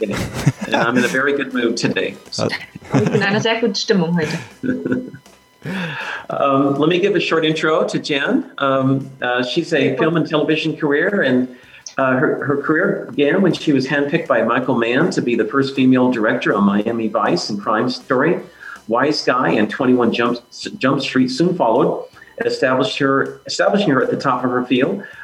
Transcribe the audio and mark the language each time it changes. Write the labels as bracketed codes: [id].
[en] And I'm in a very good mood today. [de] Ich bin in einer sehr guten Stimmung heute. [en] Let me give a short intro to Jan. She's a film and television career, and her career began when she was handpicked by Michael Mann to be the first female director on Miami Vice and Crime Story. Wise Guy and 21 Jump Street soon followed, establishing her at the top of her field.